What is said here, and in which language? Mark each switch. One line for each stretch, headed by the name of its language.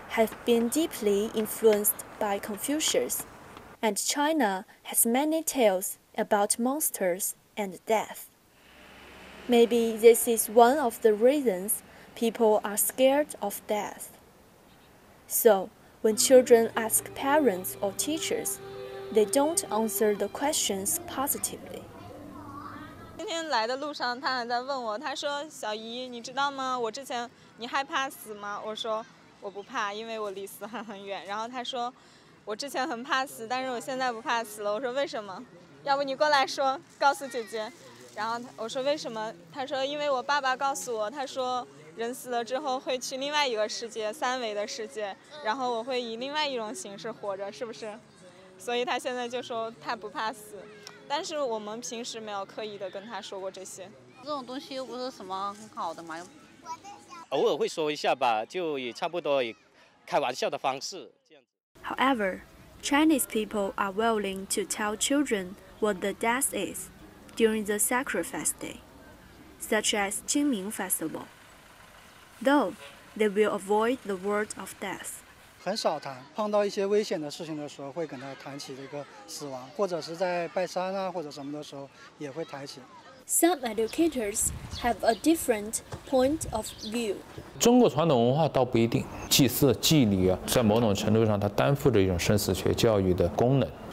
English: Have been deeply influenced by Confucius, and China has many tales about monsters and death. Maybe this is one of the reasons people are scared of death. So, when children ask parents or teachers, they don't answer the questions positively.
Chinese: 今天来的路上，他还在问我，他说：“小姨，你知道吗？我之前，你害怕死吗？” 我说。我不怕，因为我离死很远。然后他说，我之前很怕死，但是我现在不怕死了。我说为什么？要不你过来说，告诉姐姐。然后我说为什么？他说因为我爸爸告诉我，他说人死了之后会去另外一个世界，3维的世界，然后我会以另外一种形式活着，是不是？所以他现在就说他不怕死，但是我们平时没有刻意的跟他说过这些。这种东西又不是什么很好的嘛。偶尔会说一下吧，就也差不多以开玩笑的方式这样子。
English: However, Chinese people are willing to tell children what the death is during the sacrifice day, such as Qingming Festival. Though, they will avoid the word of death.
Chinese: 很少谈，碰到一些危险的事情的时候会跟他谈起这个死亡，或者是在拜山啊或者什么的时候也会谈起。
English: some educators have a different point of view.
Chinese: 中国传统文化倒不一定，祭祀、祭礼啊，在某种程度上它担负着一种生死学教育的功能。